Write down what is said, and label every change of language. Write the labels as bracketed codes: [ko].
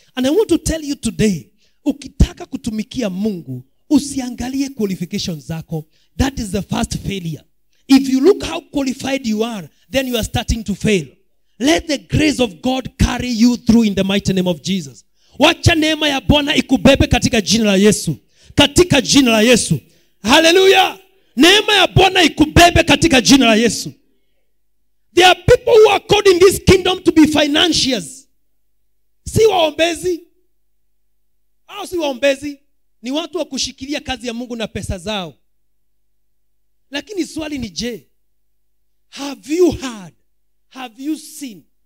[en] And I want to tell you today, [sw] ukitaka kutumikia Mungu, usiangalie qualifications zako. [en] That is the first failure. If you look how qualified you are, then you are starting to fail. Let the grace of God carry you through in the mighty name of Jesus. [sw] Wacha neema ya Bwana ikubebe katika jina la Yesu. Katika jina la Yesu. Hallelujah. Neema ya Bwana ikubebe katika jina la Yesu. [en] There are people who are called in this kingdom to be financiers. [sw] Si waombezi? Au si waombezi? Ni watu wa kushikilia kazi ya Mungu na pesa zao. Lakini swali ni je, [en] have you heard? Have you seen?